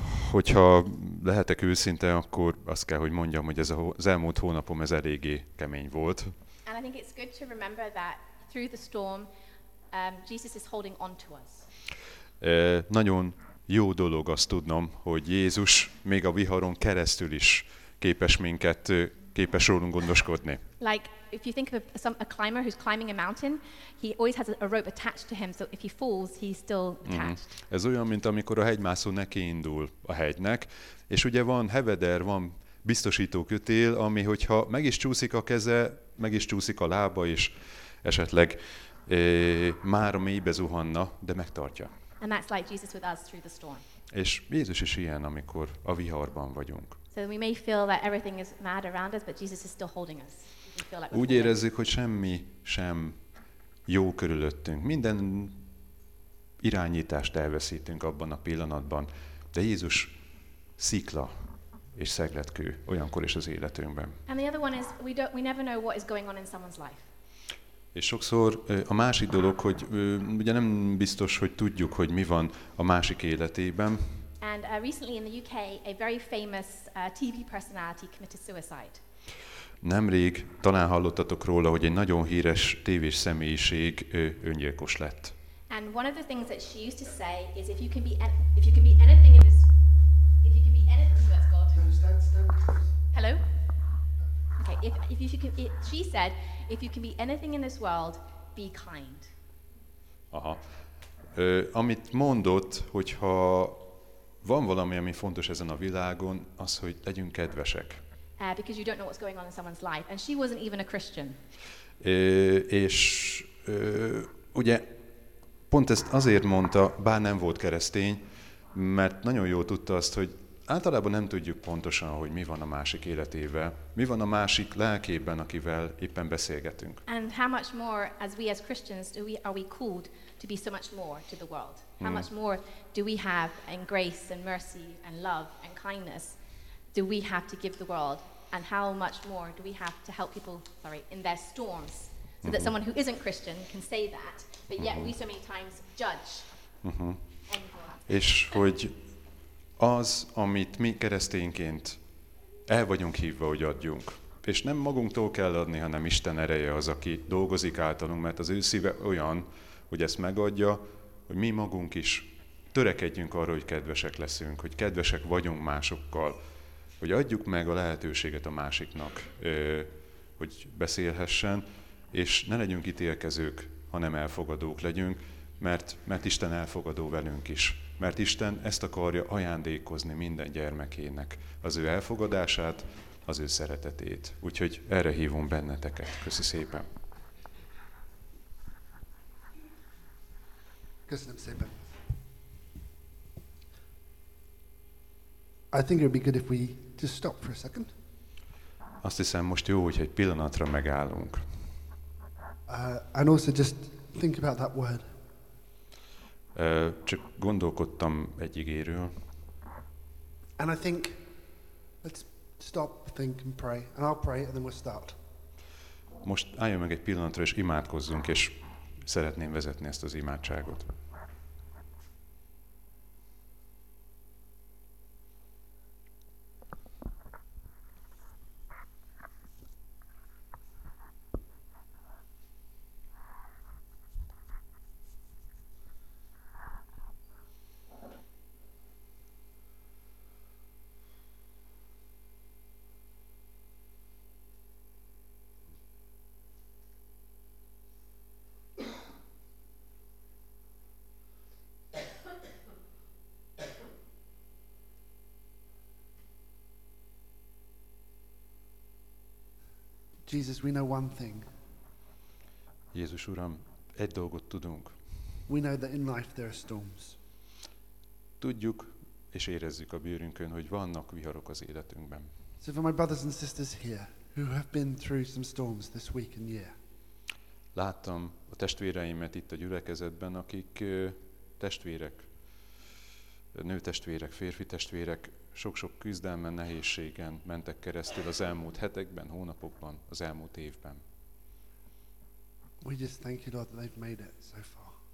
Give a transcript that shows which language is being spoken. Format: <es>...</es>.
<hu>Hogyha lehetek őszinte, akkor azt kell, hogy mondjam, hogy ez az elmúlt hónapom ez eléggé kemény volt.</hu> <en>And I think it's good to remember that through the storm, Jesus is holding on to us.</en> <hu>Nagyon jó dolog azt tudnom, hogy Jézus még a viharon keresztül is képes rólunk gondoskodni.</hu> <en>Like if you think of a climber who's climbing a mountain, he always has a rope attached to him, so if he falls, he's still attached. Mm-hmm.</en> <hu>Ez olyan, mint amikor a hegymászó nekiindul a hegynek, és ugye van heveder, van biztosító kötél, ami hogyha meg is csúszik a keze, meg is csúszik a lába, és esetleg már a mélybe zuhanna, de megtartja.</hu> <en>And that's like Jesus with us through the storm.</en> <hu>És Jézus is ilyen, amikor a viharban vagyunk.</hu> <en>So we may feel that everything is mad around us, but Jesus is still holding us.</en> <hu>Úgy érezzük, hogy semmi sem jó körülöttünk. Minden irányítást elveszítünk abban a pillanatban, de Jézus szikla és szegletkő olyankor is az életünkben.</hu> <en>And the other one is we never know what is going on in someone's life.</en> <hu>És sokszor a másik dolog, hogy ugye nem biztos, hogy tudjuk, hogy mi van a másik életében.</hu> <en>And recently in the UK a very famous TV personality committed suicide.</en> <hu>Nemrég talán hallottatok róla, hogy egy nagyon híres tévés személyiség öngyilkos lett.</hu> <en>And one of the things that she used to say is if you can be anything in this, if you can be anything, that's God. Hello? Okay, she said if you can be anything in this world, be kind. Aha.</en> <hu>Amit mondott, hogyha van valami, ami fontos ezen a világon, az, hogy legyünk kedvesek.</hu> <en>Because you don't know what's going on in someone's life, and she wasn't even a Christian.</en> <hu>És ugye pont ezt azért mondta, bár nem volt keresztény, mert nagyon jól tudta azt, hogy általában nem tudjuk pontosan, hogy mi van a másik életével, mi van a másik lelkében, akivel éppen beszélgetünk.</hu> <en>And how much more as we as Christians do we are we called to be so much more to the world? How much more do we have in grace and mercy and love and kindness do we have to give the world? And how much more do we have to help people, sorry, in their storms? So that someone who isn't Christian can say that, but yet we so many times judge.</en> <hu>És hogy az, amit mi keresztényként el vagyunk hívva, hogy adjunk, és nem magunktól kell adni, hanem Isten ereje az, aki dolgozik általunk, mert az ő szíve olyan, hogy ezt megadja, hogy mi magunk is törekedjünk arra, hogy kedvesek leszünk, hogy kedvesek vagyunk másokkal, hogy adjuk meg a lehetőséget a másiknak, hogy beszélhessen, és ne legyünk ítélkezők, hanem elfogadók legyünk, mert Isten elfogadó velünk is. Mert Isten ezt akarja ajándékozni minden gyermekének, az ő elfogadását, az ő szeretetét. Úgyhogy erre hívunk benneteket. Köszi szépen. Köszönöm szépen.</hu> <en>I think it would be good if we just stop for a second.</en> <hu>Azt hiszem, most jó, hogy egy pillanatra megállunk.</hu> <en>And also just think about that word.</en> <hu>Csak gondolkodtam egy igéről.</hu> <en>And I think, let's stop, think and pray. And I'll pray and then we'll start.</en> <hu>Most álljon meg egy pillanatra és imádkozzunk, és szeretném vezetni ezt az imádságot.</hu> <en>Jesus, we know one thing.</en> <hu>Jézus Uram, egy dolgot tudunk.</hu> <en>We know that in life there are storms.</en> <hu>Tudjuk és érezzük a bőrünkön, hogy vannak viharok az életünkben.</hu> <en>So for my brothers and sisters here, who have been through some storms this week and year.</en> <hu>Láttam a testvéreimet itt a gyülekezetben, akik testvérek, nőtestvérek, férfi testvérek, sok-sok küzdelmen, nehézségen mentek keresztül az elmúlt hetekben, hónapokban, az elmúlt évben.</hu> <en>We just thank you, Lord, that they've made it so far.</en>